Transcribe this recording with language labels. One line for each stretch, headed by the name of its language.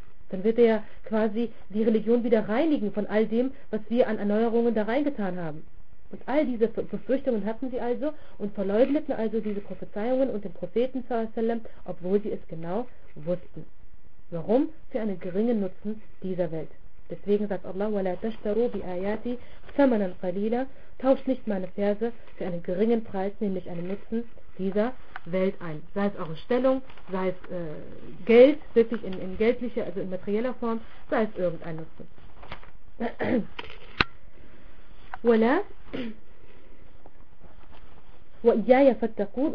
German: Dann wird er quasi die Religion wieder reinigen von all dem, was wir an Erneuerungen da reingetan haben. Und all diese Befürchtungen hatten sie also und verleugneten also diese Prophezeiungen und den Propheten, obwohl sie es genau wussten. Warum? Für einen geringen Nutzen dieser Welt. Deswegen sagt Allah,
Arabic: وَلَا تَشْتَرُوا بِآيَاتِي ثَمَنًا قَلِيلًا.
German: Tauscht nicht meine Verse für einen geringen Preis, nämlich einen Nutzen dieser Welt ein. Sei es eure Stellung, sei es Geld, wirklich in geldlicher, also in materieller Form, sei es irgendein Nutzen.
Arabic: وَلَا وَإِيَّايَ فَتَّقُونَ.